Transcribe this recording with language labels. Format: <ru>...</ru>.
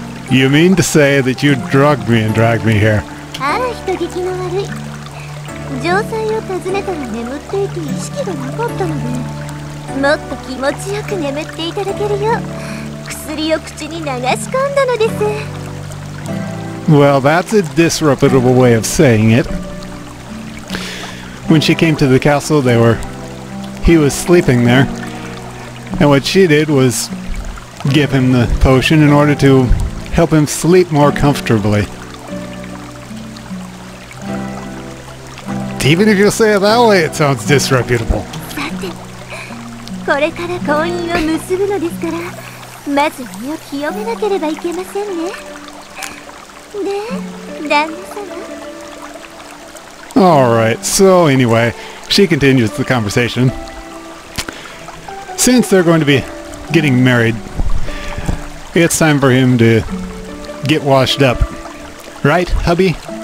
<en>You mean to say that you drugged me and dragged me here?</en> <ja>あら、人聞きの悪い。城塞を訪ねたら眠っていて意識が残ったので、もっと気持ちよく眠っていただけるよう、薬を口に流し込んだのです。</ja> <en>Well, that's a disreputable way of saying it. When she came to the castle, they were... He was sleeping there, and what she did was give him the potion in order to help him sleep more comfortably. Even if you say it that way, it sounds disreputable.</en> <ja>さて、これから婚姻を結ぶのですから、まず身を清めなければいけませんね。で、旦那様。</ja> <en>All right, so anyway, she continues the conversation. Since they're going to be getting married, it's time for him to get washed up. Right, hubby?</en>